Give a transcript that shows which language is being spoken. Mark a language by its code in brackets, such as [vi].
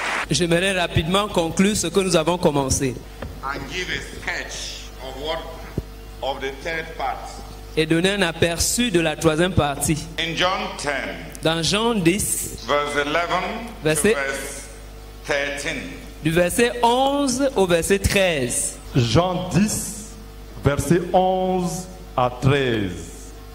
[fr] J'aimerais rapidement conclure ce que nous avons commencé. [en] And give a sketch of what, of the third part. [fr] Et donner un aperçu de la troisième partie. [en] In John 10, [fr] dans Jean 10, [en] verse 11 verset, to verse 13. [fr] Du verset 11 au verset 13. Jean 10, verset 11 à 13.